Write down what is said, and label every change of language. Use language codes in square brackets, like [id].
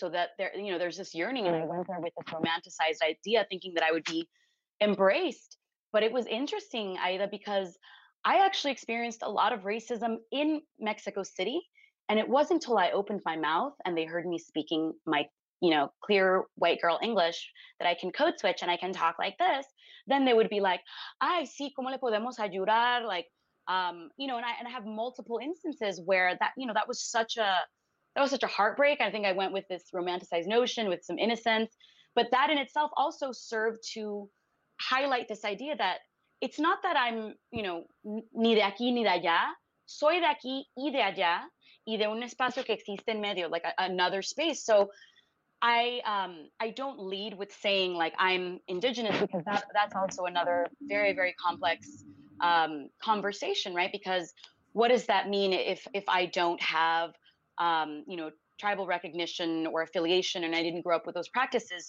[en] So that there, you know, there's this yearning. And I went there with this romanticized idea, thinking that I would be embraced. But it was interesting, Aida, because I actually experienced a lot of racism in Mexico City. And it wasn't until I opened my mouth and they heard me speaking my, you know, clear white girl English that I can code switch and I can talk like this. Then they would be like, [es] ay, sí, ¿cómo le podemos ayudar? [en] Like, you know, and I have multiple instances where that, you know, that was such a heartbreak. I think I went with this romanticized notion with some innocence, but that in itself also served to highlight this idea that it's not that I'm, you know, [es] ni de aquí ni de allá. Soy de aquí y de allá y de un espacio que existe en medio, [en] like another space. So I don't lead with saying like I'm indigenous, because that's also another very, very complex conversation, right? Because what does that mean if I don't have, you know, tribal recognition or affiliation and I didn't grow up with those practices?